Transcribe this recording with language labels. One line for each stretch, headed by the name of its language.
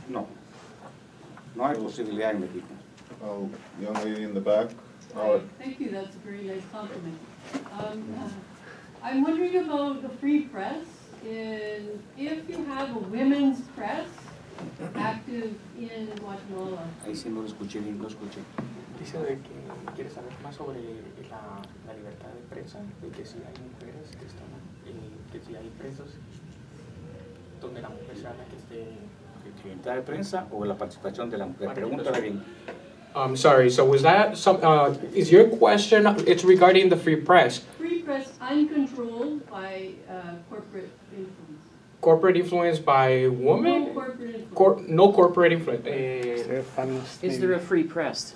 English: No. No possibility in Mexico. Oh, young lady in the back. Thank you, that's a very nice compliment. I'm wondering about the free press, and if you have a women's press active in Guatemala.
Spanish: Ahí sí, no escuché. Dice de que quiere saber más sobre la libertad de prensa, de que si hay mujeres que están, que si hay presos, donde la mujer sea la que esté. Libertad de prensa o la participación de la mujer. Pregúntale bien.
English: I'm sorry, so was that some, is your question, it's regarding the free press. Free press uncontrolled by corporate influence. Corporate influence by women? No corporate influence. Is there a free press?